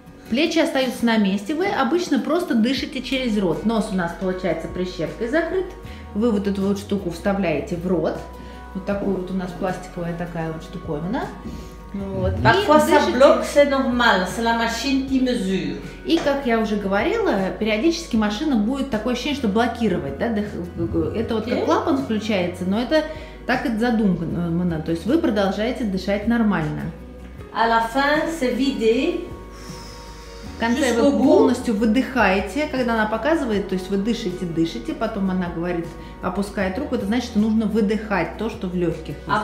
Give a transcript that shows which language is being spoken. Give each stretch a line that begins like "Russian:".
Russian: Плечи остаются на месте, вы обычно просто дышите через рот. Нос у нас получается прищепкой закрыт, вы вот эту вот штуку вставляете в рот. Вот такую вот у нас пластиковая такая вот штуковина. Вот.
French: Parfois ça bloque, c'est normal, c'est la machine qui mesure.
Russian: И как я уже говорила, периодически машина будет такое ощущение, что блокировать, да, это вот как клапан включается, но это так и задумано, то есть вы продолжаете дышать нормально.
French: À la fin, c'est vidé.
Russian: В конце вы полностью выдыхаете, когда она показывает, то есть вы дышите, потом она говорит, опускает руку, это значит, что нужно выдыхать то, что в легких.